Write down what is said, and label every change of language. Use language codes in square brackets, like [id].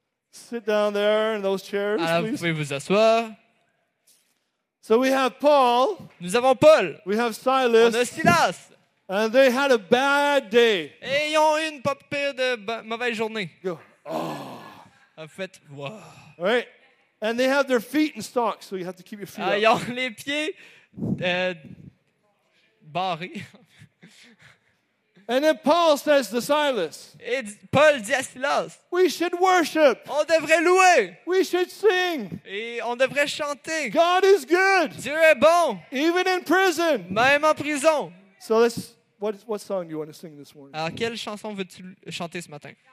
[en] Sit down there in those chairs, please. [fr] Vous pouvez vous asseoir. [en] So we have Paul. [fr] Nous avons Paul. [en] We have Silas. [fr] On a Silas. [en] And they had a bad day. [fr] Et ils ont eu une pas pire de mauvaise journée. [en] Go. Oh. [fr] En fait, wow. [en] All right. And they have their feet in stocks, so you have to keep your feet up. [fr] Ils ont les pieds barrés. [en] And then Paul says to Silas, [fr] et Paul dit à Silas, [en] we should worship. [fr] On devrait louer. [en] We should sing. [fr] Et on devrait chanter. [en] God is good. [fr] Dieu est bon. [en] Even in prison. [fr] Même en prison. [en] So let's, what song do you want to sing this morning? [fr] Alors, quelle chanson veux-tu chanter ce matin?